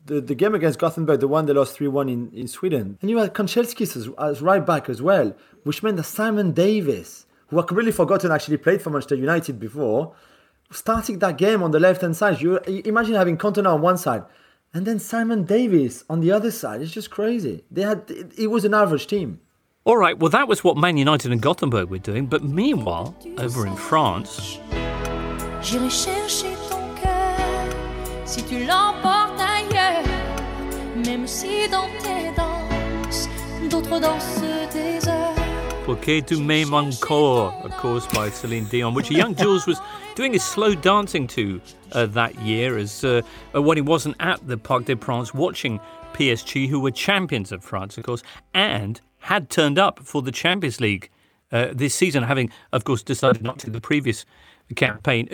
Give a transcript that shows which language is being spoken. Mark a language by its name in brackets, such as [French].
[English] The game against Gothenburg, the one they lost 3-1 in Sweden. And you had Konchelski as right back as well, which meant that Simon Davis, who I completely forgotten actually played for Manchester United before, starting that game on the left-hand side. You imagine having Cantona on one side and then Simon Davis on the other side. It's just crazy. It was an average team. All right, well, that was what Man United and Gothenburg were doing. But meanwhile, over in France... [French] J'irai chercher ton cœur si tu l'emportes ailleurs. Même si dans tes danses, d'autres dansent des heures. Que tu m'aimes encore, [English] of course, by Celine Dion, which a young Jules was doing his slow dancing to that year when he wasn't at the Parc des Princes watching PSG, who were champions of France, of course, and had turned up for the Champions League this season, having, of course, decided not to the previous campaign.